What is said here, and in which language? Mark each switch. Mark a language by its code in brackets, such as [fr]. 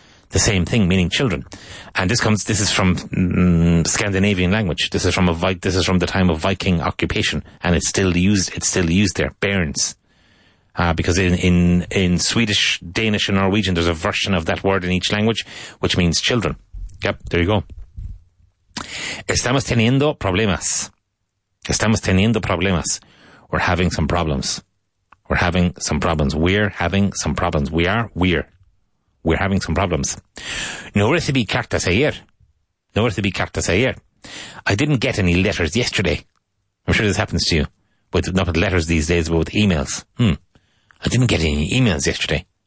[en] The same thing, meaning children. And this is from Scandinavian language. This is from the time of Viking occupation, and it's still used there. Bairns. Because in Swedish, Danish and Norwegian, there's a version of that word in each language, which means children. Yep, there you go. [es] Estamos teniendo problemas. Estamos teniendo problemas. [en] We're having some problems. We're having some problems. We're having some problems. We're having some problems. [es] No recibí cartas ayer. No recibí cartas ayer. [en] I didn't get any letters yesterday. I'm sure this happens to you. Not with letters these days, but with emails. I didn't get any emails yesterday.